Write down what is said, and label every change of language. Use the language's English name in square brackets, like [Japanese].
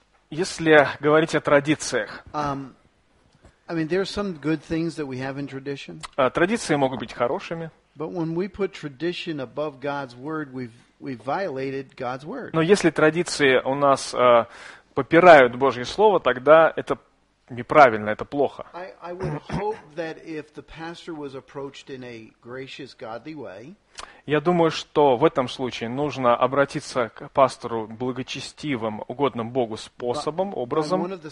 [Russian] Если говорить о традициях. [English] I mean, there are some good things that we have in tradition. [Russian] Традиции могут быть хорошими. [English] But when we put tradition above God's word, we've violated God's word. [Russian] Но если традиции у нас попирают Божье слово, тогда это неправильно, это плохо. [English] I would hope that if the pastor was approached in a gracious, godly way. [Russian] Я думаю, что в этом случае нужно обратиться к пастору благочестивым, угодным Богу способом, образом.